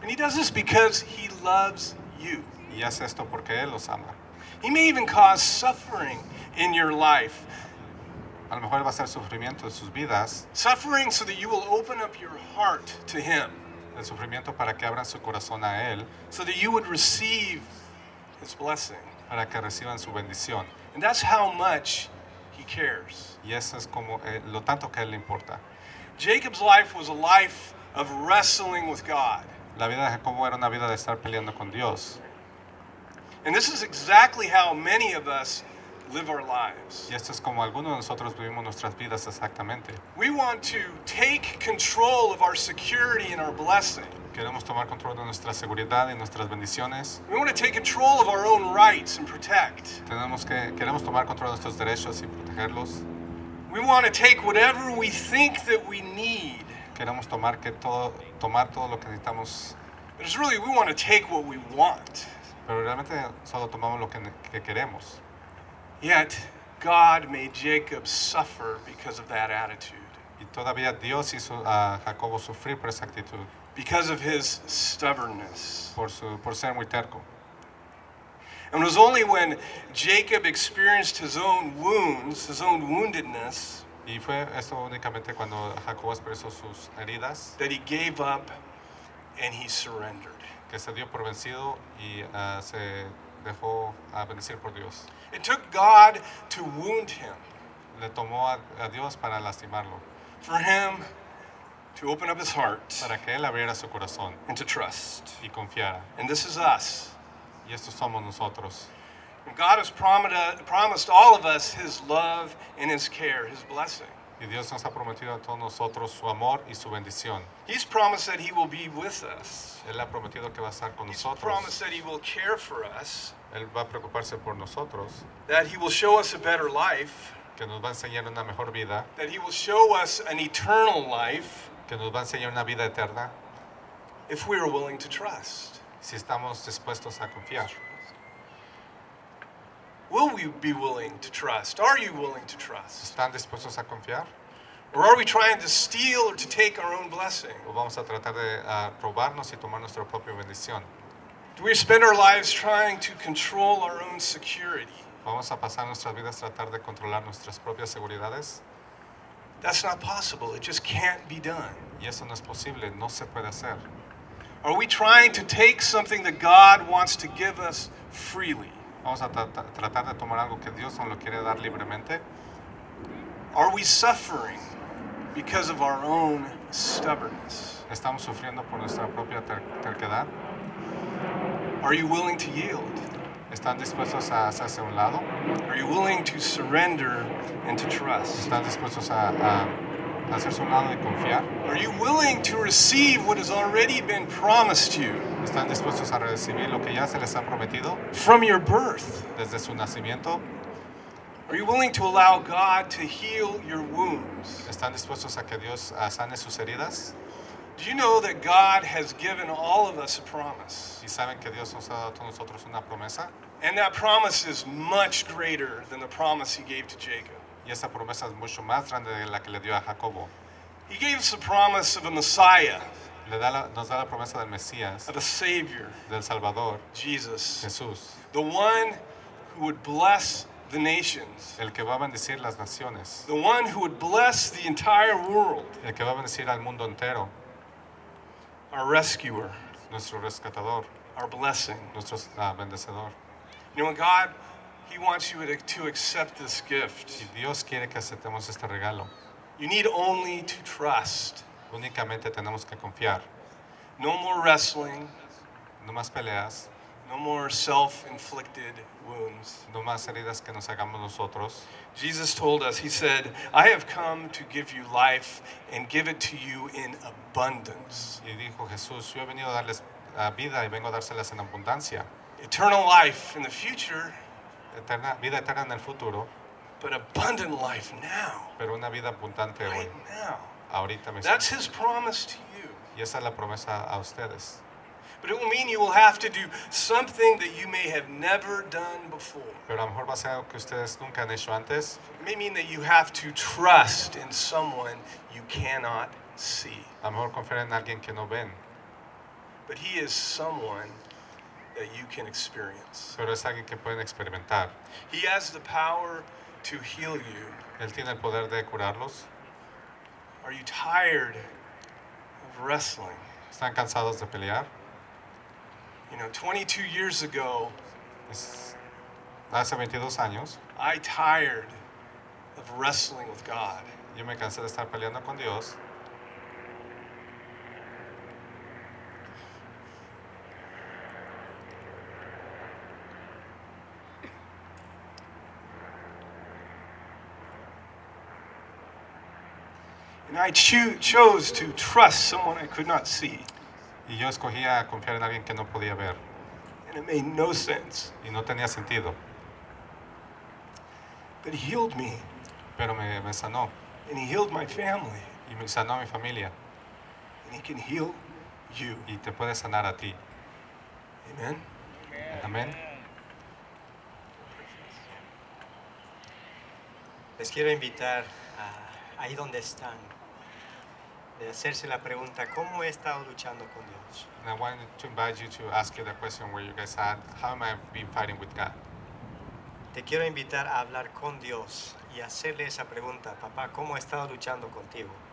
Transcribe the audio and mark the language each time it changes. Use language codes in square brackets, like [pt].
[en] And he does this because he loves you. [es] Y hace esto porque él los ama. [en] He may even cause suffering in your life. [es] A lo mejor va a ser sufrimiento en sus vidas. [en] Suffering so that you will open up your heart to him. [es] El sufrimiento para que abran su corazón a él. [en] So that you would receive his blessing. [es] Para que reciban su bendición. [en] And that's how much he cares. [es] Y eso es como lo tanto que a él le importa. [en] Jacob's life was a life of wrestling with God. [es] La vida de Jacobo era una vida de estar peleando con Dios. [en] And this is exactly how many of us live our lives. [es] Y esto es como algunos de nosotros vivimos nuestras vidas exactamente. [en] We want to take control of our security and our blessing. [es] Queremos tomar control de nuestra seguridad y nuestras bendiciones. [en] We want to take control of our own rights and protect. [es] Queremos tomar control de nuestros derechos y protegerlos. [en] We want to take whatever we think that we need. [es] Queremos tomar todo lo que necesitamos. [en] But it's really we want to take what we want. [es] Pero realmente solo tomamos lo que queremos. [en] Yet God made Jacob suffer because of that attitude. [es] Y todavía Dios hizo a Jacobo sufrir por esa actitud. [en] Because of his stubbornness. [es] Por ser muy terco. [en] And it was only when Jacob experienced his own wounds, his own woundedness, [es] y fue esto únicamente cuando Jacob expresó sus heridas, [en] that he gave up and he surrendered. [es] Que se dio por vencido y se dejó a bendecir por Dios. [en] It took God to wound him. [es] Le tomó a Dios para lastimarlo. [en] For him to open up his heart. [es] Para que él abriera su corazón. [en] And to trust. [es] Y confiara. [en] And this is us. [es] Y estos somos nosotros. [en] And God has promised all of us his love and his care, his blessing. [es] Y Dios nos ha prometido a todos nosotros su amor y su bendición. [en] He's promised that he will be with us. [es] Él ha prometido que va a estar con [en] He's [es] nosotros. [en] He's promised that he will care for us. [es] Él va a preocuparse por nosotros. [en] That he will show us a better life. [es] Que nos va a enseñar una mejor vida. [en] That he will show us an eternal life. [es] Que nos va a enseñar una vida eterna. [en] If we are willing to trust. [es] Si estamos dispuestos a confiar. [en] will we be willing to trust? Are you willing to trust? [es] ¿Están dispuestos a confiar? [en] Or are we trying to steal or to take our own blessing? [es] ¿O vamos a tratar de robarnos y tomar nuestra propia bendición? [en] Do we spend our lives trying to control our own security? [es] ¿Vamos a pasar nuestras vidas tratar de controlar nuestras propias seguridades? [en] That's not possible. It just can't be done. [es] Y eso no es posible. No se puede hacer. [en] Are we trying to take something that God wants to give us freely? [es] ¿Vamos a tratar de tomar algo que Dios nos lo quiere dar libremente? [en] Are we suffering because of our own stubbornness? [es] ¿Estamos sufriendo por nuestra propia terquedad? [en] Are you willing to yield? [es] ¿Están dispuestos a hacerse a un lado? [en] Are you willing to surrender and to trust? [es] ¿Están dispuestos a hacerse a un lado y confiar? [en] Are you willing to receive what has already been promised you? [es] ¿Están dispuestos a recibir lo que ya se les ha prometido? [en] From your birth. [es] ¿Desde su nacimiento? [en] Are you willing to allow God to heal your wounds? [es] ¿Están dispuestos a que Dios sane sus heridas? [en] Do you know that God has given all of us a promise? [es] ¿Y saben que Dios nos ha dado a todos nosotros una promesa? [en] And that promise is much greater than the promise he gave to Jacob. [es] Y esa promesa es mucho más grande de la que le dio a Jacobo. [en] He gave us the promise of a Messiah. [es] Nos da la promesa del Mesías. [en] Of a Savior. [es] Del Salvador. [en] Jesus. [es] Jesús. [en] The one who would bless the nations. [es] El que va a bendecir las naciones. [en] The one who would bless the entire world. [es] El que va a bendecir al mundo entero. [en] Our rescuer. [es] Nuestro rescatador. [en] Our blessing. [es] Nuestro bendecedor. [en] You know, God, he wants you to accept this gift. [es] Y Dios quiere que aceptemos este regalo. [en] You need only to trust. [es] Únicamente tenemos que confiar. [en] No more wrestling. [es] No más peleas. [en] No more self-inflicted wounds. [es] No más heridas que nos hagamos nosotros. [en] Jesus told us, he said, I have come to give you life and give it to you in abundance. [es] Y dijo Jesús, yo he venido a darles vida y vengo a dárselas en abundancia. [en] Eternal life in the future. [es] Eterna, vida eterna en el futuro. [en] But abundant life now. [es] Pero una vida abundante [en] right [es] hoy. [en] Now. [es] Ahorita mismo. [en] That's his promise to you. [es] Y esa es la promesa a ustedes. [en] But it will mean you will have to do something that you may have never done before. [es] Pero a lo mejor va a ser algo que ustedes nunca han hecho antes. [en] It may mean that you have to trust in someone you cannot see. [es] A lo mejor confiar en alguien que no ven. [en] But he is someone that you can experience. [es] Pero es alguien que pueden experimentar. [en] He has the power to heal you. [es] Él tiene el poder de curarlos. [en] Are you tired of wrestling? [es] ¿Están cansados de pelear? [en] You know, 22 years ago, [es] hace 22 años, [en] I tired of wrestling with God. [es] Yo me cansé de estar peleando con Dios. [en] And I chose to trust someone I could not see. [es] Y yo escogía confiar en alguien que no podía ver. [en] And it made no sense. [es] Y no tenía sentido. [en] But he healed me. [es] Pero me sanó. [en] And he healed my family. [es] Y me sanó a mi familia. [en] And he can heal you. [es] Y te puede sanar a ti. [en] Amen. [es] Amen. Les quiero invitar a ahí donde están. De hacerse la pregunta, ¿cómo he estado luchando con Dios? [en] And I wanted to invite you to ask you the question where you guys are, how am I been fighting with God? [es] Te quiero invitar a hablar con Dios y hacerle esa pregunta, papá, ¿cómo he estado luchando contigo?